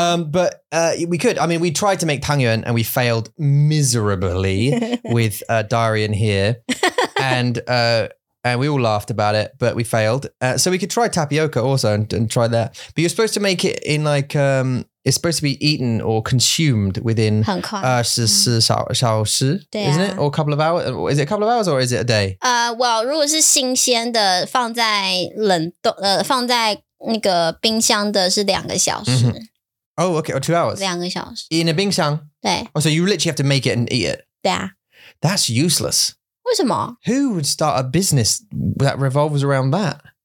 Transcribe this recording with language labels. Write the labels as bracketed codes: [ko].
[en] But we could. I mean, we tried to make 汤圆 and we failed miserably with Darian here. And we all laughed about it, but we failed. So we could try tapioca also and try that. But you're supposed to make it in like, it's supposed to be eaten or consumed within [zh] 24小时, [en] isn't it? Or a couple of hours? Is it a couple of hours or is it a day? [zh] Well, 如果是新鲜的放在冷冻放在那个冰箱的是两个小时。 [en] Mm-hmm. Oh, okay, or 2 hours. [zh] 两个小时。 [en] In a 冰箱。 [zh] 对。 [en] Oh, so you literally have to make it and eat it. [zh] 对啊。 [en] That's useless. [zh] 为什么? [en] Who would start a business that revolves around that?